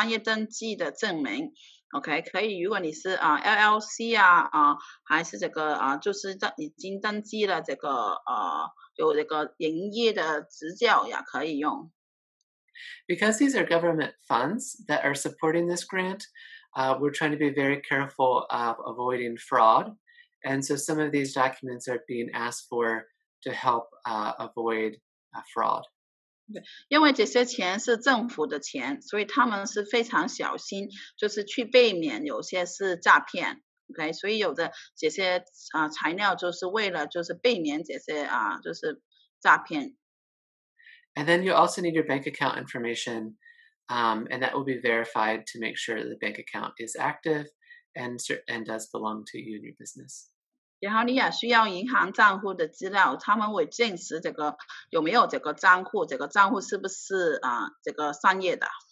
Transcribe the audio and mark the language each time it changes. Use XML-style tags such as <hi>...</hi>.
<zh>对，他就是说还需要，就是说你的在宾州的那个商业登记的证明 ，OK， 可以，如果你是LLC 啊，还是这个就是已经登记了这个有这个营业的执照也可以用。</zh> <en>Because these are government funds that are supporting this grant, we're trying to be very careful of avoiding fraud, and so some of these documents are being asked for to help avoid fraud.</en> <zh>因为这些钱是政府的钱，所以他们是非常小心，就是去避免有些是诈骗 OK， 所以有的这些材料就是为了就是避免这些就是诈骗。</zh> <en>And then you also need your bank account information, and that will be verified to make sure that the bank account is active and does belong to you and your business.</en> <zh>然后你也需要银行账户的资料，他们会证实这个有没有这个账户，这个账户是不是这个商业的。</zh>